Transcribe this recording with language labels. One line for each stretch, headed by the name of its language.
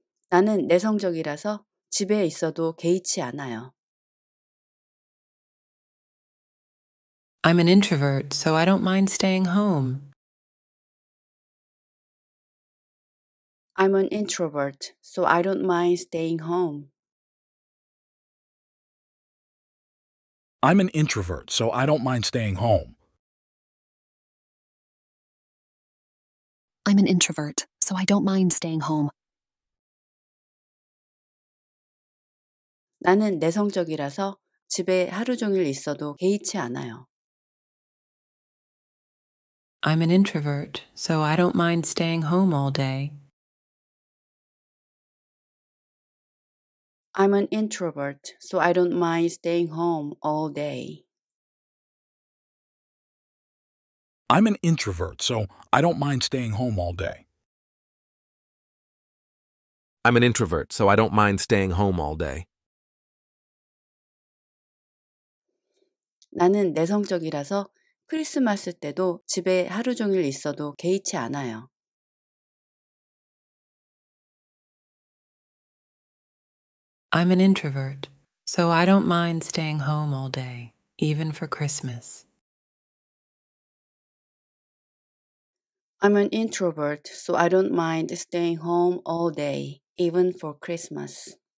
Korean: 나는 내성적이라서 집에 있어도 개의치 않아요.
English: I'm an introvert, so I don't mind staying home. I'm an introvert, so I don't mind staying home. I'm an introvert, so I don't mind staying home. I'm an introvert, so I don't mind staying home.
Korean: 나는 내성적이라서 집에 하루 종일 있어도 개의치 않아요.
English: I'm an introvert, so I don't mind staying home all day. I'm an introvert, so I don't mind staying home all day. I'm an introvert, so I don't mind staying home all day. I'm an introvert, so I don't mind staying home all day.
Korean: 나는 내성적이라서 크리스마스 때도 집에 하루 종일 있어도 개의치 않아요.
English: I'm an introvert, so I don't mind staying home all day, even for Christmas. I'm an introvert, so I don't mind staying home all day, even for Christmas.